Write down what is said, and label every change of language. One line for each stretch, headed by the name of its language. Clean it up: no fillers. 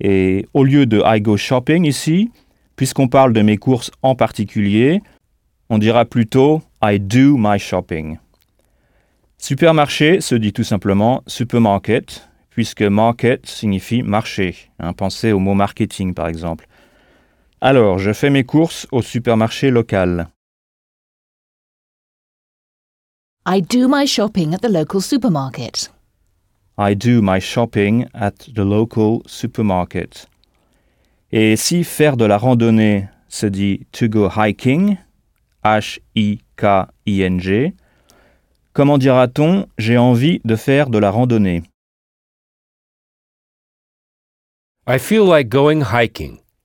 French: Et au lieu de «
English: I go shopping
French: » ici, puisqu'on parle de mes courses en particulier, on dira plutôt «
English: I do my shopping ».
French: Supermarché se dit tout simplement « supermarket », puisque « market » signifie « marché ». Pensez au mot « marketing » par exemple. Alors, je fais mes courses au supermarché local.
English: I do my shopping at the local supermarket. I do my shopping at the local supermarket.
French: Et si faire de la randonnée se dit
English: to go hiking,
French: H-I-K-I-N-G, comment dira-t-on j'ai envie de faire de la randonnée?
English: I feel like going hiking.